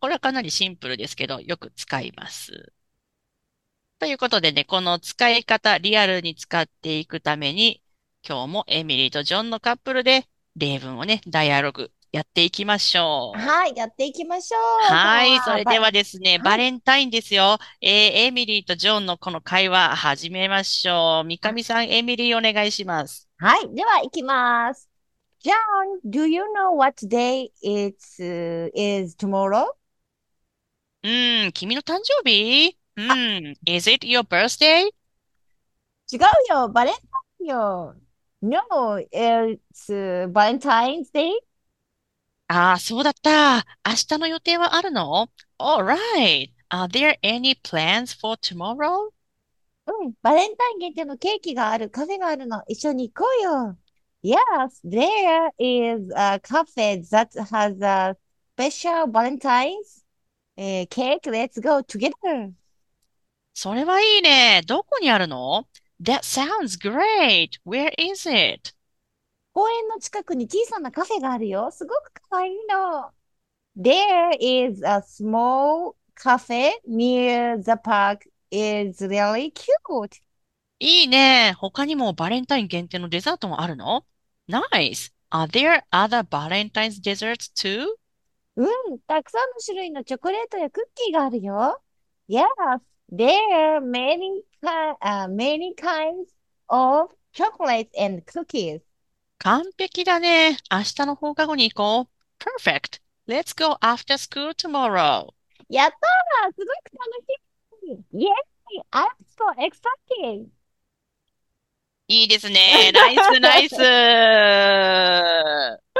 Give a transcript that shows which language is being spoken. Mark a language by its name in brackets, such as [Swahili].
[Japanese] これはかなりシンプルですけど、よく使います。ということでね、この使い方、リアルに使っていくために、今日もエミリーとジョンのカップルで、例文をね、ダイアログやっていきましょう。はい、やっていきましょう。はい、それではですね、バレンタインですよ、はい、エミリーとジョンのこの会話、始めましょう。三上さん、エミリー、お願いします。はい、では、行きます。 [English] John, do you know what day is tomorrow? [Japanese] うん、君の誕生日？うん、 [English] is it your birthday? [Japanese] 違うよ、バレンタインよ。 [English] No, it's Valentine's Day. [Japanese] ああ、そうだった。明日の予定はあるの？ [English] All right. Are there any plans for tomorrow? [Japanese] うん、バレンタイン限定のケーキがある、カフェがあるの。一緒に行こうよ。 [English] Yes, there is a cafe that has a special Valentine's cake. Let's go together. [Japanese] それはいいね。どこにあるの？ [English] That sounds great. Where is it? [Japanese] 公園の近くに小さなカフェがあるよ。すごくかわいいの。 [English] There is a small cafe near the park. It's really cute. [Japanese] いいね。他にもバレンタイン限定のデザートもあるの？ [English] Nice. Are there other Valentine's desserts too? [Japanese] うん、たくさんの種類のチョコレートやクッキーがあるよ。 [English] Yes, there are many kinds of chocolates and cookies. [Japanese] 完璧だね。明日の放課後に行こう。 [English] Perfect. Let's go after school tomorrow. [Japanese] やったー！すごく楽しみ。 [English] Yes, I'm so excited. [Japanese] いいですね。ナイスナイス。